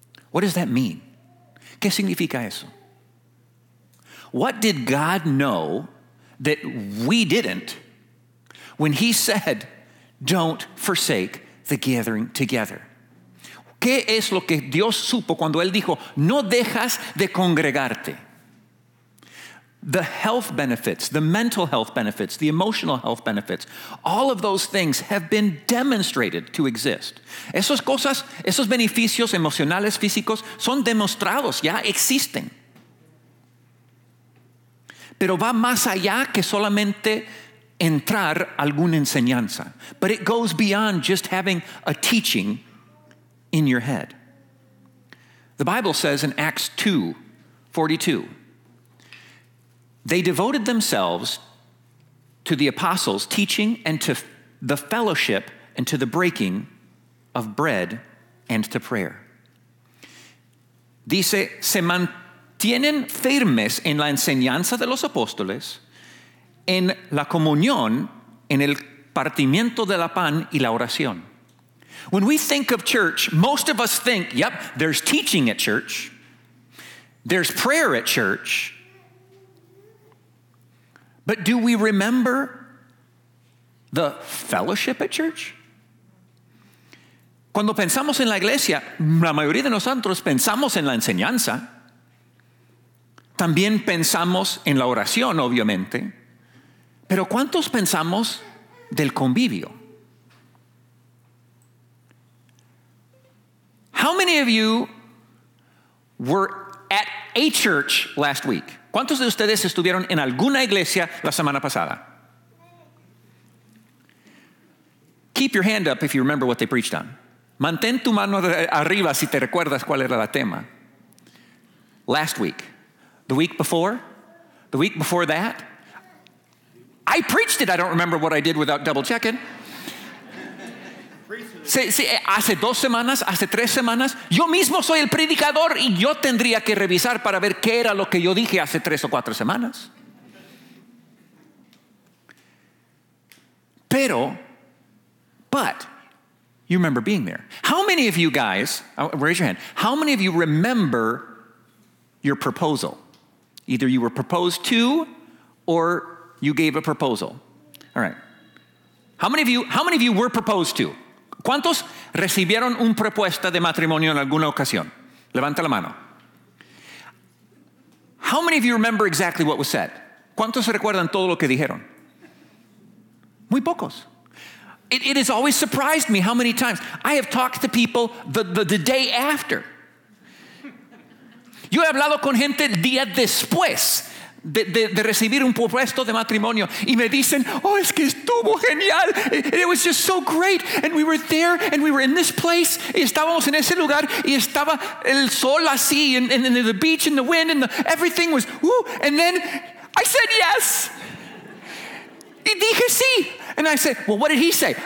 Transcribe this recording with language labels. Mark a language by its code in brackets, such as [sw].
[en] What does that mean? [es] ¿Qué significa eso? [en] What did God know that we didn't when he said, don't forsake the gathering together? [es] ¿Qué es lo que Dios supo cuando él dijo, no dejas de congregarte? [en] The health benefits, the mental health benefits, the emotional health benefits, all of those things have been demonstrated to exist. [es] Esos cosas, esos beneficios emocionales, físicos, son demostrados, ya existen. Pero va más allá que solamente entrar alguna enseñanza. [en] But it goes beyond just having a teaching in your head. The Bible says in Acts 2:42, they devoted themselves to the apostles' teaching and to the fellowship and to the breaking of bread and to prayer. [es] Dice, se mantienen firmes en la enseñanza de los apóstoles, en la comunión, en el partimiento del pan y la oración. [en] When we think of church, most of us think, yep, there's teaching at church, there's prayer at church. But do we remember the fellowship at church? [es] Cuando pensamos en la iglesia, la mayoría de nosotros pensamos en la enseñanza. También pensamos en la oración, obviamente. Pero ¿cuántos pensamos del convivio? [en] How many of you were at a church last week? [es] ¿Cuántos de ustedes estuvieron en alguna iglesia la semana pasada? [en] Keep your hand up if you remember what they preached on. [es] Mantén tu mano arriba si te recuerdas cuál era el tema. [en] Last week. The week before. The week before that. I preached it. I don't remember what I did without double checking. [es] Sí, hace dos semanas, hace tres semanas, yo mismo soy el predicador y yo tendría que revisar para ver qué era lo que yo dije hace tres o cuatro semanas. [en] Pero, but, you remember being there. How many of you guys, raise your hand, how many of you remember your proposal? Either you were proposed to or you gave a proposal. All right. How many of you were proposed to? [es] ¿Cuántos recibieron una propuesta de matrimonio en alguna ocasión? Levanta la mano. [en] How many of you remember exactly what was said? [es] ¿Cuántos recuerdan todo lo que dijeron? Muy pocos. [en] It has always surprised me how many times I have talked to people the day after. [es] Yo he hablado con gente el día después de recibir un propuesto de matrimonio y me dicen, oh, es que estuvo genial, [en] it was just so great, and we were there and we were in this place [es] y estábamos en ese lugar y estaba el sol así [en] and the beach and the wind and everything was woo, and then I said yes [es] y dije sí, [en] and I said, well, what did he say?